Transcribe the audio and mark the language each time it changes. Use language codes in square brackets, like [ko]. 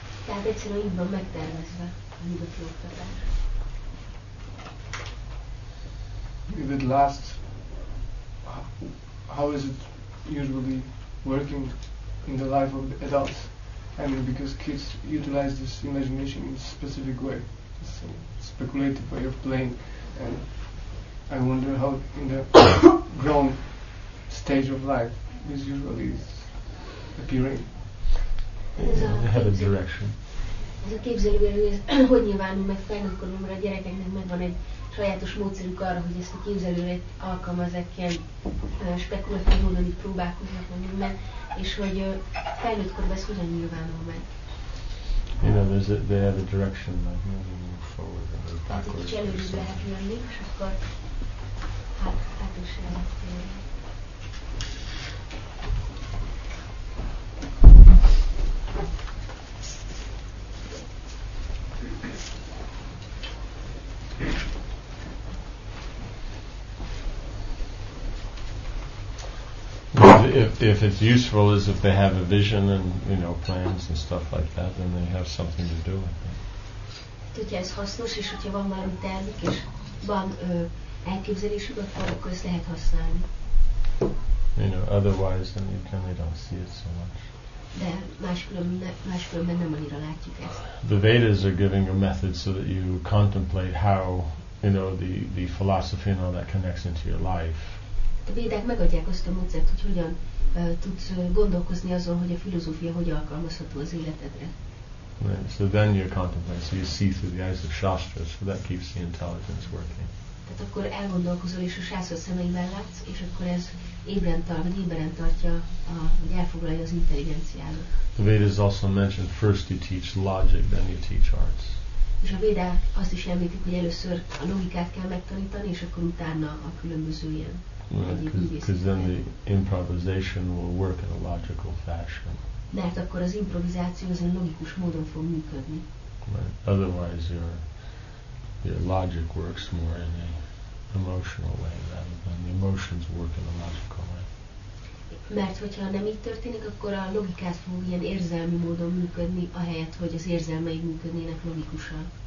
[hu] Tehát egyszerűen így van megtervezve a nyugati oktatás. [en] If it lasts, how is it usually working in the life of adults? I mean, because kids utilize this imagination in a specific way. It's a speculative way of playing. And I wonder how in the grown stage of life this usually is appearing. [hu] Ez a képzelőerő, ez hogy nyilvánul meg felnőttkor, mert a gyerekeknek megvan egy sajátos módszerük arra, hogy ezt a képzelőerőt alkalmazzák, ilyen spekulatív módon itt próbálkoznak, mondjuk meg, és hogy felnőttkorban ez hogyan nyilvánul meg. [en] You know, they have a direction, like moving forward or backward. [hu] Tehát egy kicsi előrébe lehet jönni, és akkor hát is lehet. [en] If it's useful is if they have a vision and, you know, plans and stuff like that, then they have something to do with it. [hu] Tudja, ez hasznos, és hogyha van valami tervük, és van elképzelésük, akkor ezt lehet használni. [en] You know, otherwise, then you kind of don't see it so much. [hu] De máskülönben nem annyira látjuk ezt. [en] The Vedas are giving a method so that you contemplate how, you know, the philosophy and all that connects into your life. [hu] A Védák megadják azt a módszert, hogy hogyan tudsz gondolkozni azon, hogy a filozófia hogy alkalmazható az életedre. [en] Right. So then you're contemplating, so you see through the eyes of Shastras, so that keeps the intelligence working. [hu] Tehát akkor elgondolkozol, és a Shastra szemeivel látsz, és akkor ez ébren tart, vagy ébren tartja, hogy elfoglalja az intelligenciádat. [en] The Vedas also mentioned, first you teach logic, then you teach arts. [hu] És a Védák azt is említik, hogy először a logikát kell megtanítani, és akkor utána a különböző ilyen. [en] Because then the improvisation will work in a logical fashion. [hu] mert akkor az improvizáció az logikus módon fog működni. [en] Right. Otherwise your logic works more in an emotional way than the emotions work in a logical way. [hu] Mert hogyha nem így történik, akkor a logikát fog ilyen érzelmi módon működni, ahelyett, hogy az érzelmei működnének logikusan.